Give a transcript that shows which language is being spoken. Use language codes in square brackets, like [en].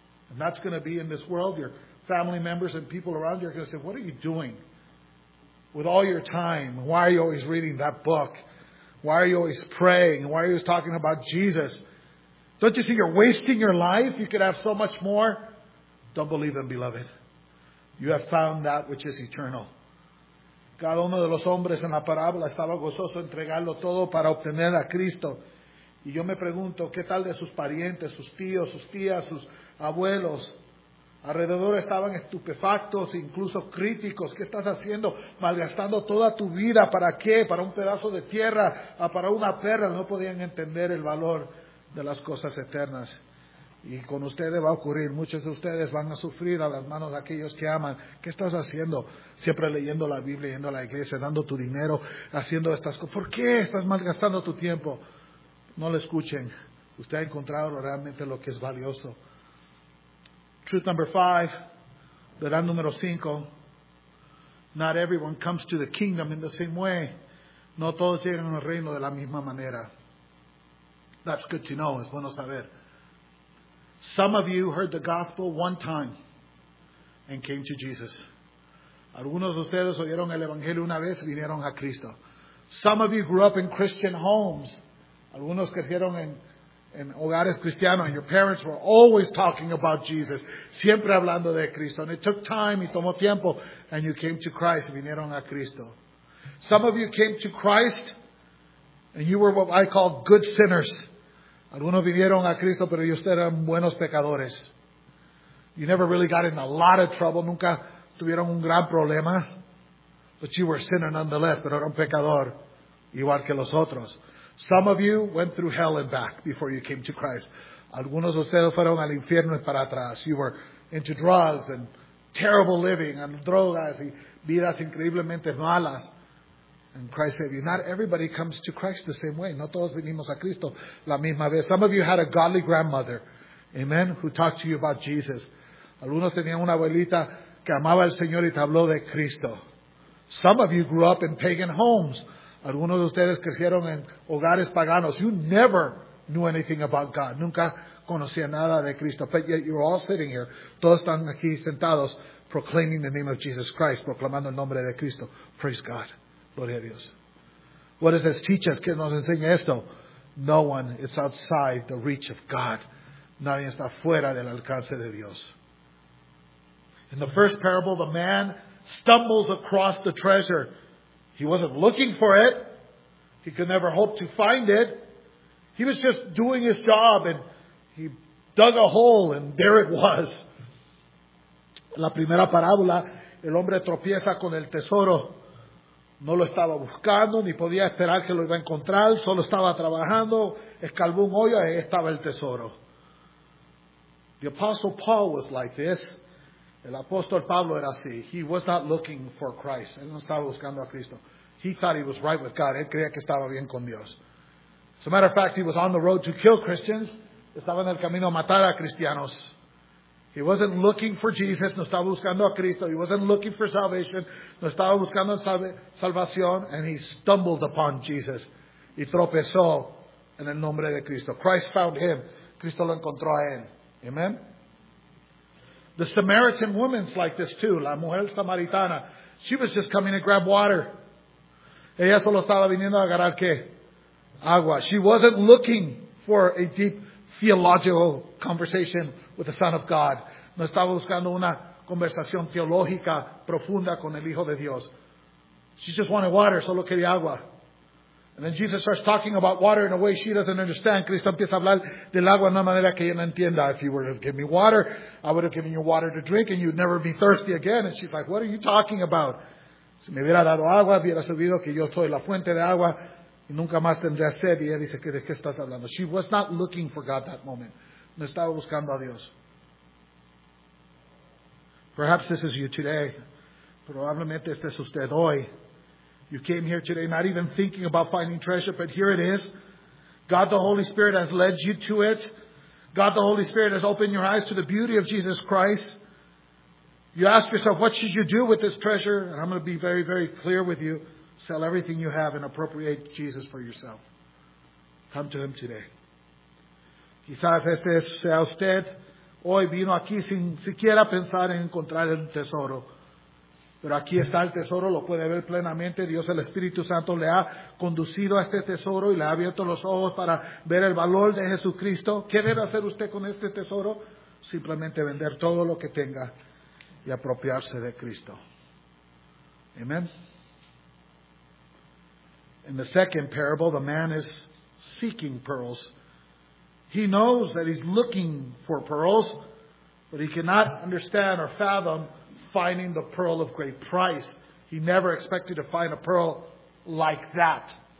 [en] And that's going to be in this world. Your family members and people around you are going to say, what are you doing with all your time? Why are you always reading that book? Why are you always praying? Why are you always talking about Jesus? Don't you see you're wasting your life? You could have so much more. Don't believe them, beloved. You have found that which is eternal. [es] Cada uno de los hombres en la parábola estaba gozoso entregarlo todo para obtener a Cristo. Y yo me pregunto, ¿qué tal de sus parientes, sus tíos, sus tías, sus abuelos? Alrededor estaban estupefactos, incluso críticos. ¿Qué estás haciendo? Malgastando toda tu vida, ¿para qué? ¿Para un pedazo de tierra? ¿Para una perra? No podían entender el valor de las cosas eternas. Y con ustedes va a ocurrir, muchos de ustedes van a sufrir a las manos de aquellos que aman. ¿Qué estás haciendo? Siempre leyendo la Biblia, yendo a la iglesia, dando tu dinero, haciendo estas cosas. ¿Por qué estás malgastando tu tiempo? No le escuchen. Usted ha encontrado realmente lo que es valioso. [en] Truth number 5, [es] verdad número 5. [en] Not everyone comes to the kingdom in the same way. [es] No todos llegan al reino de la misma manera. [en] That's good to know. [es] Es bueno saber. [en] Some of you heard the gospel one time and came to Jesus. [es] Algunos de ustedes oyeron el evangelio una vez y vinieron a Cristo. [en] Some of you grew up in Christian homes. [es] Algunos crecieron en hogares cristianos, [en] and your parents were always talking about Jesus, [es] siempre hablando de Cristo. [en] And it took time, [es] y tomó tiempo, [en] and you came to Christ, [es] y vinieron a Cristo. [en] Some of you came to Christ and you were what I call good sinners. [es] Algunos vinieron a Cristo, pero ellos eran buenos pecadores. [en] You never really got in a lot of trouble. [es] Nunca tuvieron un gran problema. [en] But you were a sinner nonetheless, [es] pero era un pecador, igual que los otros. [en] Some of you went through hell and back before you came to Christ. [es] Algunos de ustedes fueron al infierno y para atrás. [en] You were into drugs and terrible living and [es] drogas y vidas increíblemente malas. [en] And Christ saved you. Not everybody comes to Christ the same way. [es] No todos vinimos a Cristo la misma vez. [en] Some of you had a godly grandmother, amen, who talked to you about Jesus. [es] Algunos tenían una abuelita que amaba al Señor y te habló de Cristo. [en] Some of you grew up in pagan homes. [es] Algunos de ustedes crecieron en hogares paganos. [en] You never knew anything about God. [es] Nunca conocía nada de Cristo. [en] But yet you're all sitting here. [es] Todos están aquí sentados [en] proclaiming the name of Jesus Christ, [es] proclamando el nombre de Cristo. [en] Praise God. [es] Gloria a Dios. [en] What does this teach us? [es] ¿Qué nos enseña esto? [en] No one is outside the reach of God. [es] Nadie está fuera del alcance de Dios. [en] In the first parable, the man stumbles across the treasure. He wasn't looking for it. He could never hope to find it. He was just doing his job and he dug a hole and there it was. [es] La primera parábola, el hombre tropieza con el tesoro. No lo estaba buscando, ni podía esperar que lo iba a encontrar. Solo estaba trabajando, escarbó un hoyo, ahí estaba el tesoro. [en] The Apostle Paul was like this. [es] El apóstol Pablo era así. [en] He was not looking for Christ. [es] Él no estaba buscando a Cristo. [en] He thought he was right with God. [es] Él creía que estaba bien con Dios. [en] As a matter of fact, he was on the road to kill Christians. [es] Estaba en el camino a matar a cristianos. [en] He wasn't looking for Jesus. [es] No estaba buscando a Cristo. [en] He wasn't looking for salvation. [es] No estaba buscando salvación. [en] And he stumbled upon Jesus. [es] Y tropezó en el nombre de Cristo. [en] Christ found him. [es] Cristo lo encontró a él. Amen. [en] The Samaritan woman's like this too. [es] La mujer samaritana. [en] She was just coming to grab water. [es] Ella solo estaba viniendo a agarrar qué? Agua. [en] She wasn't looking for a deep theological conversation with the Son of God. [es] No estaba buscando una conversación teológica profunda con el Hijo de Dios. [en] She just wanted water, [es] solo quería agua. [en] And then Jesus starts talking about water in a way she doesn't understand. [es] Cristo empieza a hablar del agua de una manera que ella no entienda. [en] If you were to give me water, I would have given you water to drink and you'd never be thirsty again. And she's like, what are you talking about? [es] Si me hubiera dado agua, hubiera sabido que yo soy la fuente de agua y nunca más tendré sed. Y ella dice, ¿de qué estás hablando? [en] She was not looking for God that moment. [es] No estaba buscando a Dios. [en] Perhaps this is you today. [es] Probablemente este es usted hoy. [en] You came here today not even thinking about finding treasure, but here it is. God the Holy Spirit has led you to it. God the Holy Spirit has opened your eyes to the beauty of Jesus Christ. You ask yourself, what should you do with this treasure? And I'm going to be very, very clear with you. Sell everything you have and appropriate Jesus for yourself. Come to Him today. [es] Quizás este sea usted. Hoy vino aquí sin siquiera pensar en encontrar el tesoro. Pero aquí está el tesoro, lo puede ver plenamente. Dios, el Espíritu Santo, le ha conducido a este tesoro y le ha abierto los ojos para ver el valor de Jesucristo. ¿Qué debe hacer usted con este tesoro? Simplemente vender todo lo que tenga y apropiarse de Cristo. Amen. [en] In the second parable, the man is seeking pearls. He knows that he's looking for pearls, but he cannot understand or fathom finding the pearl of great price. He never expected to find a pearl like that.